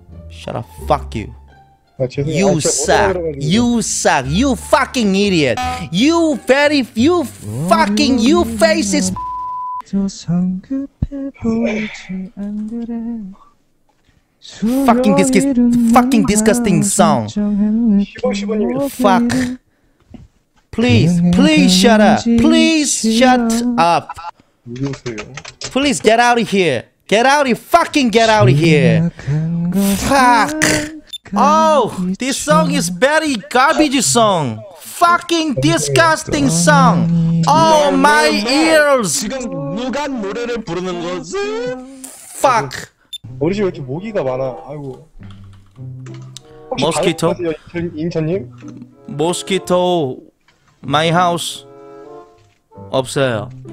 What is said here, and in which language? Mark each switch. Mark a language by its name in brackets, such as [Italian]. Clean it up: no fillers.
[English] Shut up. Fuck you. [Korean] 아, [English] you suck. You suck. You fucking idiot. You very. You fucking. You faces. [Korean] 저 성급해 보이지 안 그래. [English] Fucking disgust. Fucking disgusting song. 15, fuck. Please shut up. Please shut up. Please get out of here. Get out of fucking. Get out of here. Fuck. Oh, this song is very garbage song. Fucking disgusting song. Oh, my ears. [Korean] 지금 누가 노래를 부르는 거지? [English] Fuck. [Korean] 머리에 왜 이렇게 모기가 많아? 아이고. [English] Mosquito. [Korean] 인천님? [English] Mosquito. My house. [Korean] 없어요.